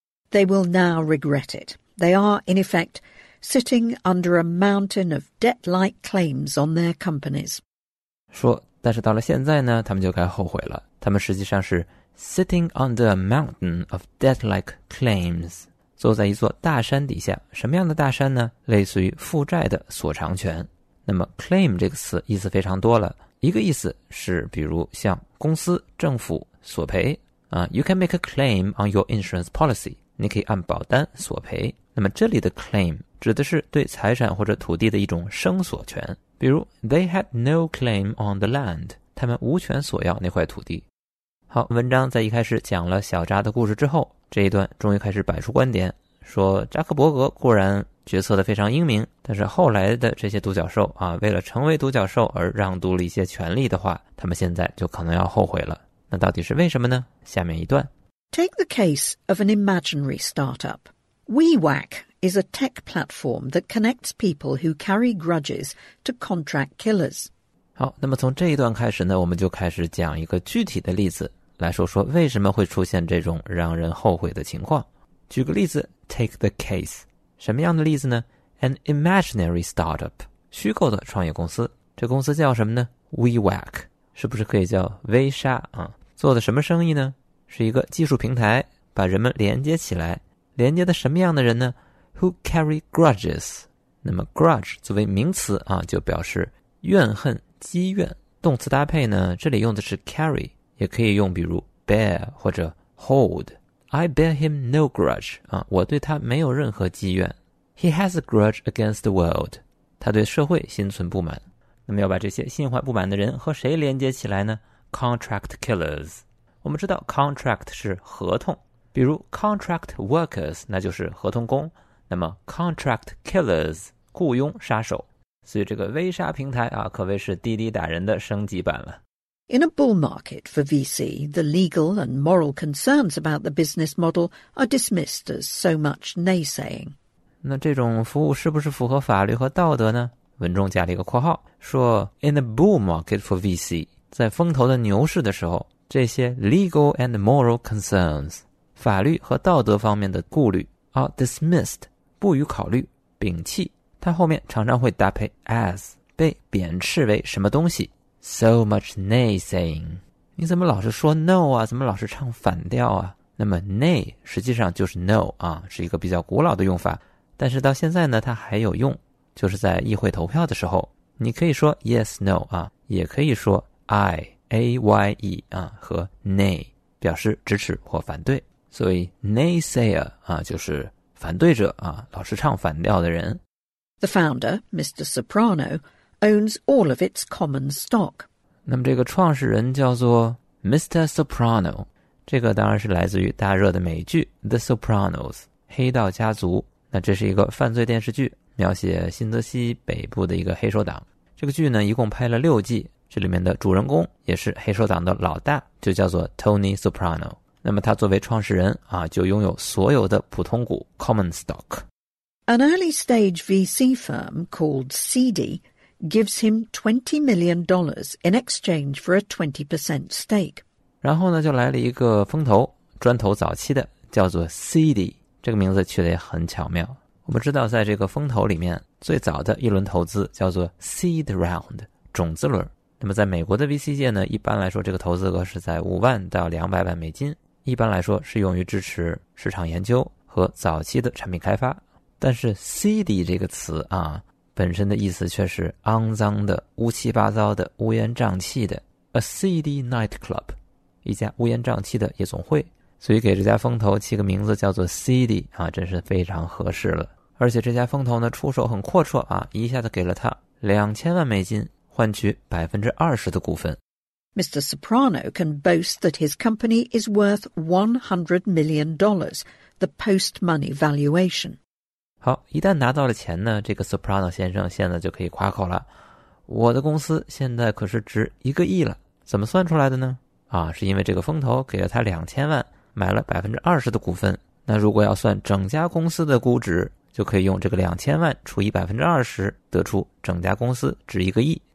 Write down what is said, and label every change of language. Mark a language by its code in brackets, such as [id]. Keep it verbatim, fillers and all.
[en] They will now regret it. They are, in effect, sitting under a mountain of debt-like claims on their companies. [zh] 说但是到了现在呢，他们就该后悔了。他们实际上是 [en] sitting under a mountain of debt-like claims， [zh] 坐在一座大山底下。什么样的大山呢？类似于负债的索偿权。那么 claim 这个词意思非常多了，一个意思是比如向公司、政府索赔啊、uh, [en] You can make a claim on your insurance policy， [zh] 你可以按保单索赔。那么这里的 claim 指的是对财产或者土地的一种生索权，比如 [en] They had no claim on the land， [zh] 他们无权索要那块土地。好，文章在一开始讲了小扎的故事之后，这一段终于开始摆出观点，说扎克伯格固然决策的非常英明，但是后来的这些独角兽啊，为了成为独角兽而让渡了一些权利的话，他们现在就可能要后悔了。那到底是为什么呢？下面一段。 [en] Take the case of an imaginary startup. WeWack is a tech platform that connects people who carry grudges to contract killers. [zh] 好，那么从这一段开始呢，我们就开始讲一个具体的例子，来说说为什么会出现这种让人后悔的情况。举个例子 [en] take the case， [zh] 什么样的例子呢？ [en] An imaginary startup， [zh] 虚构的创业公司。这公司叫什么呢？ WeWack， 是不是可以叫微莎啊？做的什么生意呢？是一个技术平台，把人们连接起来。连接的什么样的人呢？ [en] Who carry grudges。 [zh] 那么 grudge 作为名词啊，就表示怨恨、积怨。动词搭配呢，这里用的是 carry， 也可以用比如 bear 或者 hold。 [en] I bear him no grudge， [zh] 啊，我对他没有任何积怨。 [en] He has a grudge against the world， [zh] 他对社会心存不满。那么要把这些心怀不满的人和谁连接起来呢？ [en] Contract killers。 [zh] 我们知道 contract 是合同，比如 [en] contract workers [zh] 那就是合同工，那么 [en] contract killers [zh] 雇佣杀手。所以这个微杀平台啊，可谓是滴滴打人的升级版了。 [en] In a bull market for V C, the legal and moral concerns about the business model are dismissed as so much naysaying. [zh] 那这种服务是不是符合法律和道德呢？文中加了一个括号，说 [en] In a bull market for V C， [zh] 在风头的牛市的时候，这些 [en] legal and moral concerns， [zh] 法律和道德方面的顾虑 [en] are dismissed， [zh] 不予考虑，摒弃。它后面常常会搭配 as， 被贬斥为什么东西。 [en] So much naysaying， [zh] 你怎么老是说 no 啊？怎么老是唱反调啊？那么 nay 实际上就是 no 啊，是一个比较古老的用法，但是到现在呢，它还有用，就是在议会投票的时候，你可以说 yes no 啊，也可以说 I a y e 啊和 nay 表示支持或反对，所以 naysayer 啊就是反对者啊，老是唱反调的人。 [en] The founder, Mister Soprano. owns all of its common stock. [zh] 那么这个创始人叫做 Mister Soprano， 这个当然是来自于大热的美剧 The Sopranos， 黑道家族。那这是一个犯罪电视剧，描写新泽西北部的一个黑手党。这个剧呢一共拍了六季，这里面的主人公也是黑手党的老大，就叫做 Tony Soprano。那么他作为创始人啊，就拥有所有的普通股 [en] common stock。 An early stage V C firm called C D gives him twenty million dollars in exchange for a twenty percent stake. [zh] 然后呢就来了一个风投，专投早期的，叫做 C D， 这个名字取得也很巧妙。我们知道在这个风投里面，最早的一轮投资叫做 [en] seed round， [zh] 种子轮。那么在美国的 V C 界呢，一般来说这个投资额是在五万到两百万美金，一般来说是用于支持市场研究和早期的产品开发。但是 C D 这个词啊，本身的意思却是肮脏的、乌七八糟的、乌烟瘴气的。 [en] A seedy nightclub， [zh] 一家乌烟瘴气的夜总会。所以给这家风投起个名字叫做 seedy 啊，真是非常合适了。而且这家风投呢出手很阔绰啊，一下子给了他两千万美金，换取 百分之二十 的股份。 [en] Mister Soprano can boast that his company is worth one hundred million dollars, the post-money valuation。 [zh] 好，一旦拿到了钱呢，这个 Soprano 先生现在就可以夸口了。我的公司现在可是值一个亿了，怎么算出来的呢？啊，是因为这个风投给了他两千万，买了 百分之二十 的股份。那如果要算整家公司的估值，就可以用这个两千万除以 百分之二十， 得出整家公司值一个亿。